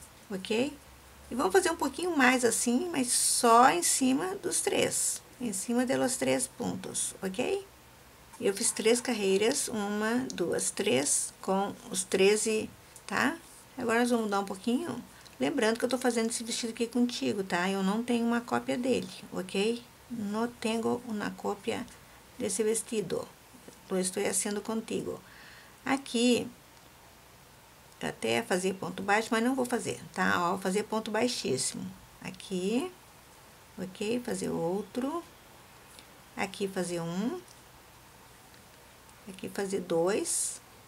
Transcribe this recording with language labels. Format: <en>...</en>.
<pt>Ok? E vamos fazer um pouquinho mais assim, mas só em cima dos três. Em cima de los três pontos, ok? Eu fiz três carreiras, uma, duas, três, com os 13, tá? Agora nós vamos mudar um pouquinho. Lembrando que eu tô fazendo esse vestido aqui contigo, tá? Eu não tenho uma cópia dele, ok?</pt> <es>No tengo una copia desse vestido. Lo estoy haciendo contigo.</es> <pt>Aqui, até fazer ponto baixo, mas não vou fazer, tá? Ó, vou fazer ponto baixíssimo. Aqui, ok? Fazer outro. Aqui fazer um. Aqui fazer dois.</pt>